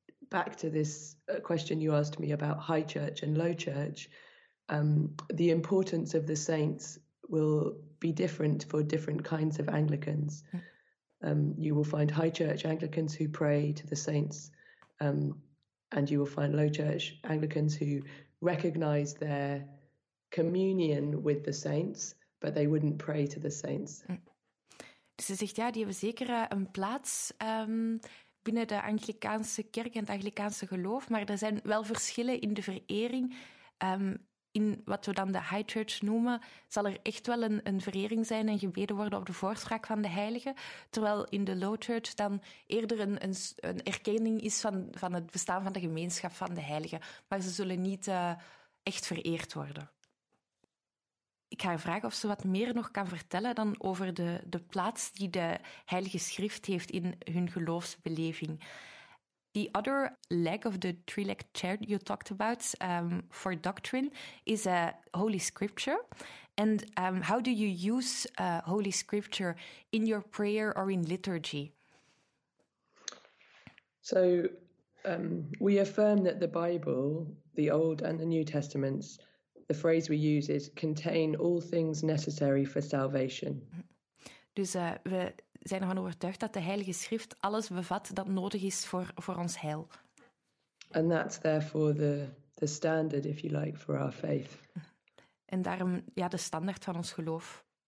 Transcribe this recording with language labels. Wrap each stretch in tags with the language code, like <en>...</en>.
<en>Back to this question you asked me about high church and low church, the importance of the saints will be different for different kinds of Anglicans. You will find high church Anglicans who pray to the saints, and you will find low church Anglicans who recognize their communion with the saints, but they wouldn't pray to the saints.</en> <nl>Dus ze zegt, ja, die hebben zeker een plaats binnen de Anglicaanse kerk en het Anglicaanse geloof, maar er zijn wel verschillen in de verering. In wat we dan de high church noemen, zal er echt wel een verering zijn en gebeden worden op de voorspraak van de heiligen, terwijl in de low church dan eerder een erkenning is van het bestaan van de gemeenschap van de heiligen. Maar ze zullen niet echt vereerd worden. Ik ga haar vragen of ze wat meer nog kan vertellen dan over de plaats die de Heilige Schrift heeft in hun geloofsbeleving.</nl> <en>The other leg of the three-leg chair you talked about for doctrine is Holy Scripture. And how do you use Holy Scripture in your prayer or in liturgy? So we affirm that the Bible, the Old and the New Testaments, the phrase we use is contain all things necessary for salvation.</en> <nl>Dus we zijn ervan overtuigd dat de Heilige Schrift alles bevat dat nodig is voor ons heil.</nl> <en>And that's therefore the standard, if you like, for our faith.</en> <nl>En daarom, ja, de standaard van ons geloof.</nl>